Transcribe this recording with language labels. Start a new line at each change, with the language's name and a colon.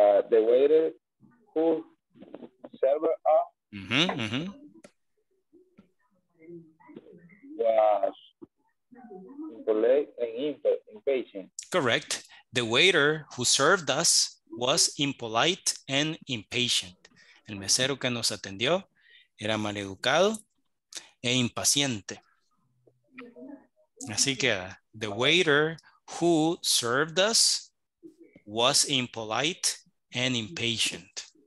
English: The waiter who server of. Was impolite and impatient. Correct. The waiter who served us was impolite and impatient.
Spanish: El mesero que nos atendió era maleducado e impaciente. Así que,
English: the waiter who served us was impolite and impatient.